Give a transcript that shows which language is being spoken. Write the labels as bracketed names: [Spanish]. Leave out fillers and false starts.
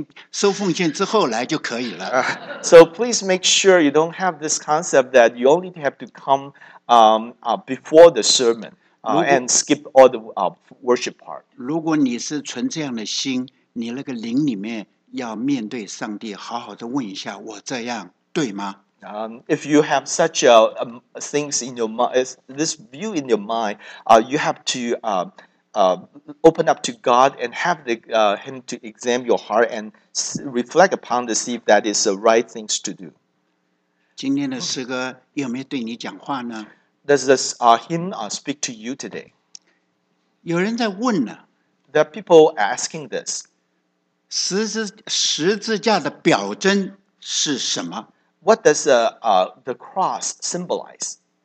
[Chinese] 所以弟兄姐妹，你们来到教会的时候，千万不要说“哎呀，晚一点来没关系，只要讲道之前收奉献之后来就可以了。” [English] So please make sure you don't have this concept that you only have to come before the sermon and skip all the worship part. [Chinese] 如果你是存这样的心，你那个灵里面要面对上帝，好好的问一下，我这样。 [English] If you have such things in your mind, this view in your mind, you have to open up to God and have the Him to examine your heart and reflect upon to see if that is the right things to do. [Chinese] 今天的诗歌有没有对你讲话呢? [English] Does this hymn speak to you today? [Chinese] 有人在问呢. [English] There are people asking this. [Chinese] 十字架的表征是什么? [English] What does the cross symbolize?